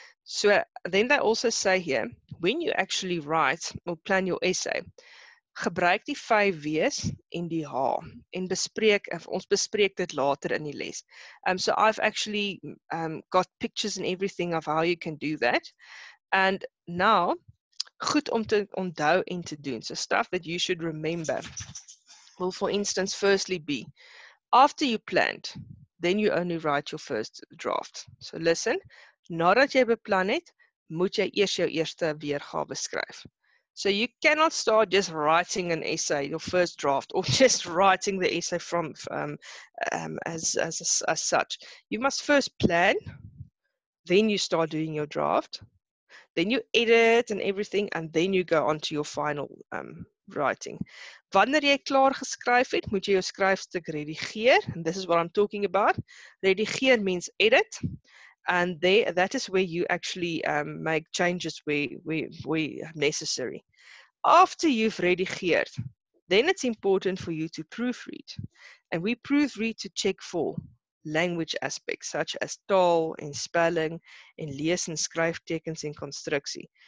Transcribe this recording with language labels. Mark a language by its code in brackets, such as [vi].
[en] So then they also say here, when you actually write or plan your essay, [af] gebruik die 5 W's en die H en bespreek, ons bespreek dit later in die les. [en] So I've actually got pictures and everything of how you can do that. And now, [af] goed om te onthou en te doen. [en] So stuff that you should remember will for instance firstly be, after you planned, then you only write your first draft. So listen, [af] nadat jy beplan het, moet jy eers jou eerste weergawe skryf. [en] So you cannot start just writing an essay, your first draft, or just writing the essay from as such. You must first plan, then you start doing your draft, then you edit and everything, and then you go on to your final writing. [af] Wanneer jy klaar geskryf het, moet jy jou skryfstuk redigeer, [en] and this is what I'm talking about. Redigeer means edit. And that is where you actually make changes where necessary. After you've redigeerd, then it's important for you to proofread. And we proofread to check for language aspects such as taal and spelling and lees and skryftekens and constructie.